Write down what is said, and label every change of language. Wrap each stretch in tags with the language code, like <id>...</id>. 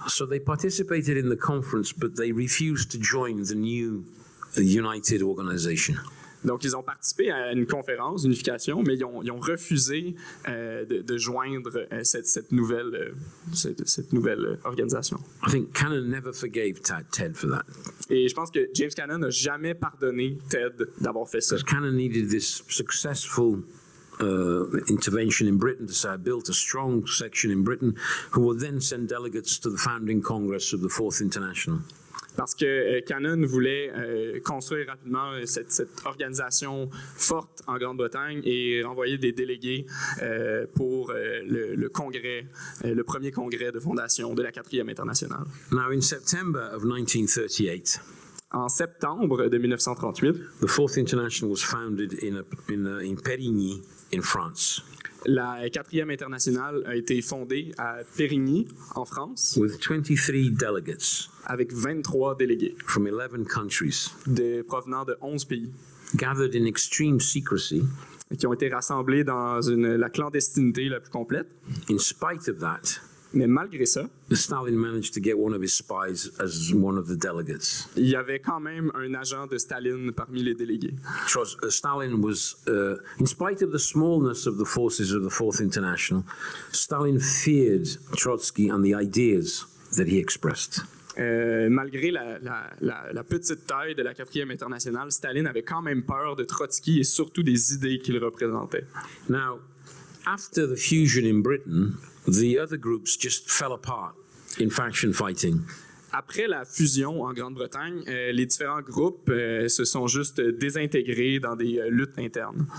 <en>So they participated in the conference, but they refused to join the new united organization.</en> <fr>Donc, ils ont participé à une conférence, unification, mais ils ont refusé de joindre cette nouvelle organisation.</fr> <en>I think Cannon never forgave Ted for that.</en> <fr>Et je pense que James Cannon n'a jamais pardonné Ted d'avoir fait ça.</fr> <en>Because Cannon needed this successful intervention in Britain to say, I built a strong section in Britain who will then send delegates to the founding congress of the Fourth International.</en> <fr>Parce que Cannon voulait construire rapidement cette organisation forte en Grande-Bretagne et envoyer des délégués pour le congrès, le premier congrès de fondation de la quatrième internationale.</fr> <en>Now, in September of 1938,</en> <fr>en septembre de 1938,</fr> <en>the Fourth International was founded in Périgny, in France.</en> <fr>La quatrième internationale a été fondée à Périgny, en France.</fr> <en>With 23 delegates.</en> <fr>Avec 23 délégués.</fr> <en>From 11 countries.</en> <fr>Provenant de 11 pays.</fr> <en>Gathered in extreme secrecy.</en> <fr>Qui ont été rassemblés dans la clandestinité la plus complète.</fr> <en>In spite of that.</en> <fr>Mais malgré ça,</fr> <en>Stalin managed to get one of his spies as one of the delegates.</en> <fr>Il y avait quand même un agent de Staline parmi les délégués.</fr> <en>Stalin was, in spite of the smallness of the forces of the Fourth International, Stalin feared Trotsky and the ideas that he expressed.</en> <fr>Malgré la petite taille de la quatrième internationale, Staline avait quand même peur de Trotsky et surtout des idées qu'il représentait.</fr> <en>Now, after the fusion in Britain, the other groups just fell apart in faction fighting.</en> <fr>Après la fusion en Grande-Bretagne, les différents groupes se sont juste désintégrés dans des luttes internes.</fr>